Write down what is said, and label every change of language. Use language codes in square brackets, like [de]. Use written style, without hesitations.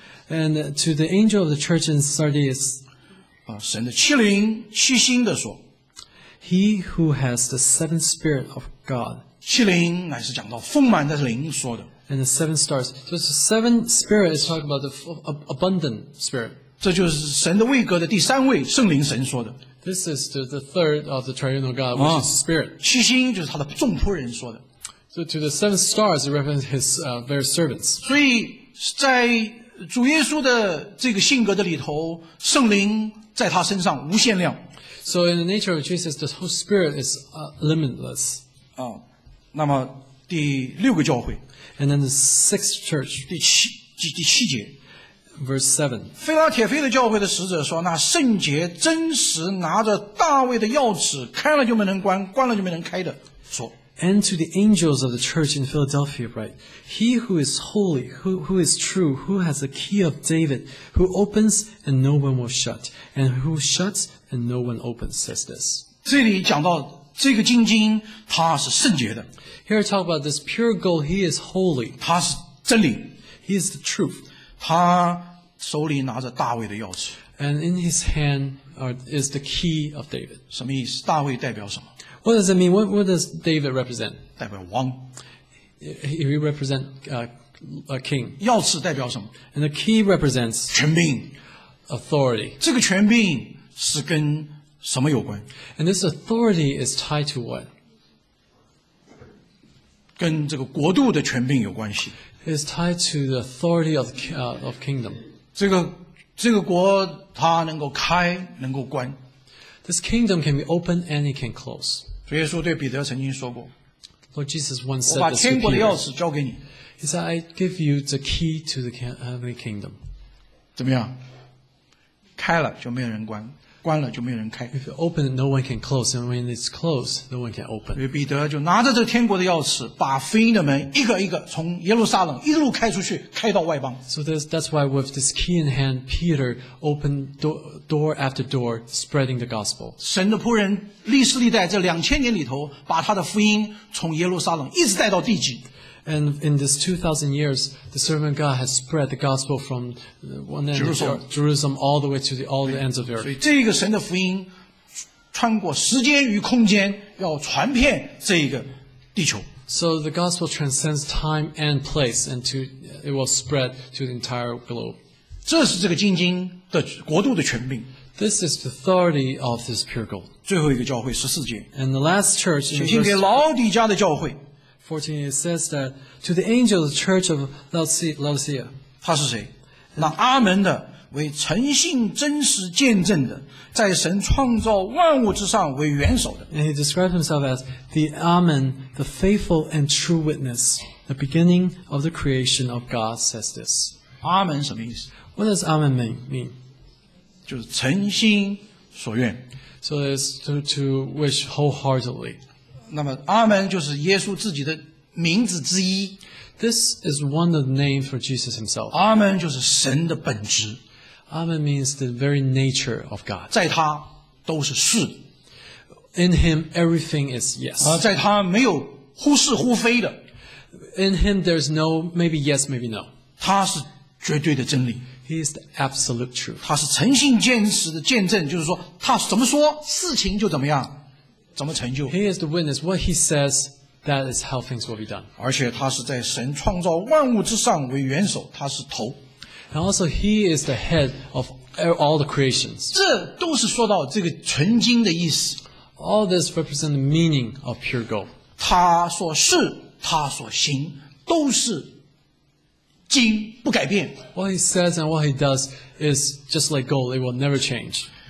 [en] And to the angel of the church in Sardis. [zh] 神的七灵七心的说。 [en] He who has the seven spirit of God. [zh] 七灵乃是讲到丰满的灵说的。 [en] And the seven stars. So the seven spirit is talking about the abundant spirit. [zh] 这就是神的位格的第三位圣灵神说的。 [en] This is the third of the triunal God, which is spirit. [zh] 七星就是他的众仆人说的。 [en] So to the seven stars, it represents his very servants. [zh] 所以在主耶稣的这个性格的里头，圣灵在他身上无限量。 [en] So in the nature of Jesus, the whole spirit is limitless. [zh] 那么第六个教会。 [en] And then the sixth church, [zh] 第七节 [en] verse 7. [zh] 腓拉铁腓的教会的使者说，那圣洁真实拿着大卫的钥匙，开了就没能关，关了就没能开的。说。 [en] And to the angels of the church in Philadelphia, write, He who is holy, who is true, who has the key of David, who opens and no one will shut, and who shuts and no one opens, says this. [zh] 这里讲到。这个金经它是圣洁的。 [en] Here I talk about this pure gold, he is holy. [zh] 它是真理。 [en] He is the truth. [zh] 他手里拿着大卫的钥匙。 [en] And in his hand is the key of David. [zh] 什么意思？大卫代表什么？ [en] What does it mean? What does David represent? [zh] 代表王。 [en] He represents a king. [zh] 钥匙代表什么？ [en] And the key represents [zh] 权柄。 [en] Authority. [zh] 这个权柄是跟什么有关? [en] And this authority is tied to what? [zh] 跟这个国度的权柄有关系。 [en] It's tied to the authority of kingdom. [zh] 这个国它能够开，能够关。 [en] This kingdom can be open and it can close. [zh] 主耶稣对彼得曾经说过。 [en] Lord Jesus once said, [zh] 我把天国的钥匙交给你。 [en] He said, I give you the key to the heavenly kingdom. [zh] 怎么样?开了就没有人关。关了就没有人开。 [en] If you open it, no one can close. And when it's closed, no one can open. [zh] 所以彼得就拿着这天国的钥匙，把福音的门一个一个从耶路撒冷一路开出去，开到外邦。 [en] So that's why with this key in hand, Peter opened door after door, spreading the gospel. [zh] 神的仆人历史历代这两千年里头，把他的福音从耶路撒冷一直带到地极。 [en] And in this 2,000 years, the servant of God has spread the gospel from one end of Jerusalem all the way to the ends of the earth. [zh] 所以这个神的福音, 穿过时间与空间, 要传遍这一个地球。 [en] So the gospel transcends time and place, and to, it will spread to the entire globe. [zh] 这是这个金金的国度的权柄。 [en] This is the authority of this pure gold. [zh] 最后一个教会, 14节。 [en] And the last church in verse [zh] 写信给老底家的教会。 [en] 14, it says that to the angel of the church of Laodicea, [zh] 他是谁? 那阿门的为诚信真实见证的, 在神创造万物之上为元首的。 [en] And he describes himself as the Amen, the faithful and true witness, the beginning of the creation of God, says this. [zh] Amen 什么意思? [en] What does Amen mean? [zh] 就是诚心所愿。 [en] So it's to wish wholeheartedly. [zh] 那么阿门就是耶稣自己的 名字之一, [en] this is one of the names for Jesus himself. [zh] Amen 就是神的本质。 [en] Amen means the very nature of God. [zh] 在他都是是。 [en] In him everything is yes. [zh] 在他没有忽是忽非的。 [en] In him there's no maybe yes, maybe no. [zh] 他是绝对的真理。 [en] He is the absolute truth. [zh] 他是诚信坚实的见证, 就是说他怎么说, 事情就怎么样, 怎么成就。 [en] He is the witness. What he says, that is how things will be done. [zh] 而且他是在神创造万物之上为元首, 他是头。 [en] And also he is the head of all the creations. [zh] 这都是说到这个纯金的意思。 [en] All this represents the meaning of pure gold. [zh] 他所是, 他所行, 都是金, 不改变。 [en] What he says and what he does is just like gold, it will never change.